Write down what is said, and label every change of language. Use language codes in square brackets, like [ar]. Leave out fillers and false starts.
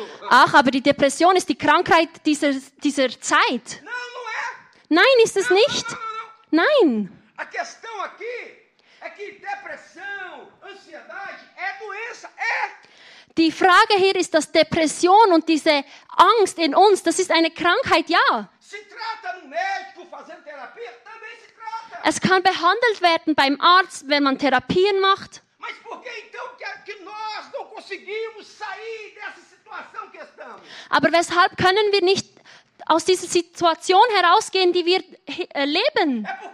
[de] Ach, aber die Depression ist die Krankheit dieser Zeit. Nein, ist es nicht. Nein. [pt] A questão aqui é que depressão, ansiedade é doença, é. [de] Die Frage hier ist, dass Depression und diese Angst in uns, das ist eine Krankheit, ja. [pt] Se trata no médico fazendo terapia, também se trata. [de] Es kann behandelt werden beim Arzt, wenn man Therapien macht. [pt] Mas por que então que nós não conseguimos sair dessa situação que estamos? [de] Aber weshalb können wir nicht aus dieser Situation herausgehen, die wir leben?